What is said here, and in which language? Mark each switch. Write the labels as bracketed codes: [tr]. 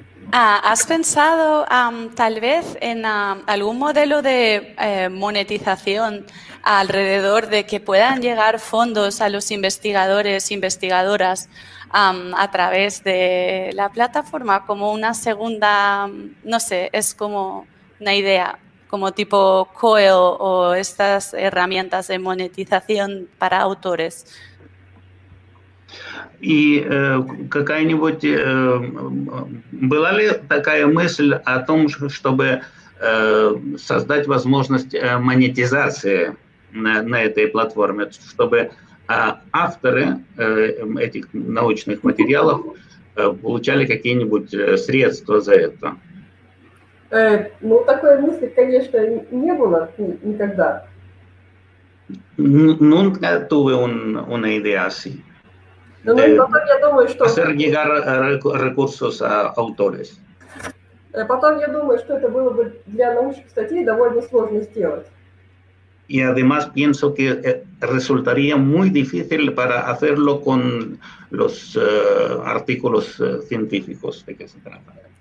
[es] ¿Has pensado tal vez en algún modelo de monetización alrededor de que puedan llegar fondos a los investigadores, investigadoras a través de la plataforma como una segunda, no sé, es como una idea, como tipo COEL o estas herramientas de monetización para autores? [ru] И какая-нибудь, была ли такая мысль о том, чтобы создать возможность монетизации на этой платформе, чтобы авторы этих научных материалов получали какие-нибудь средства за это? Ну, такой мысли, конечно, не было никогда. [es] Nunca tuve una idea así. [ru] Потом я думаю, что... [es] Hacer llegar recursos a autores. [ru] Потом я думаю, что это было бы для научных статей довольно сложно сделать. [es] Y además pienso que resultaría muy difícil para hacerlo con los artículos científicos de que se trata.